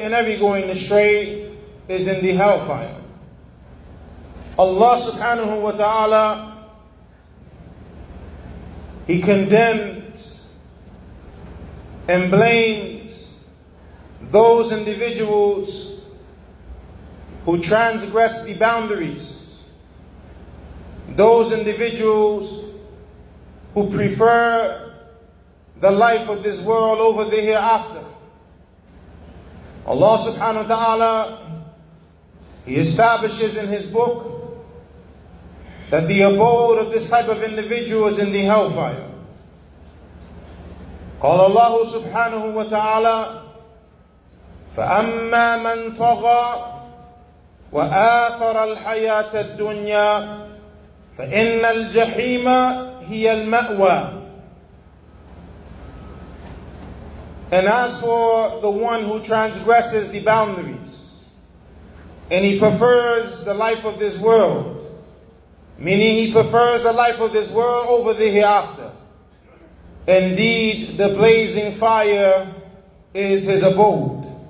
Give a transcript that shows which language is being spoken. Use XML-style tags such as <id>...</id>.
<en>And every going astray is in the hellfire. Allah subhanahu wa ta'ala, He condemns and blames those individuals who transgress the boundaries, those individuals who prefer the life of this world over the hereafter. Allah subhanahu wa ta'ala, He establishes in His book that the abode of this type of individual is in the hellfire.</en> <ar>قال الله سبحانه وتعالى فأما من طغى وآثر الحياة الدنيا فإن الجحيم هي المأوى.</ar> <en>And as for the one who transgresses the boundaries and he prefers the life of this world, meaning he prefers the life of this world over the hereafter, indeed the blazing fire is his abode.</en>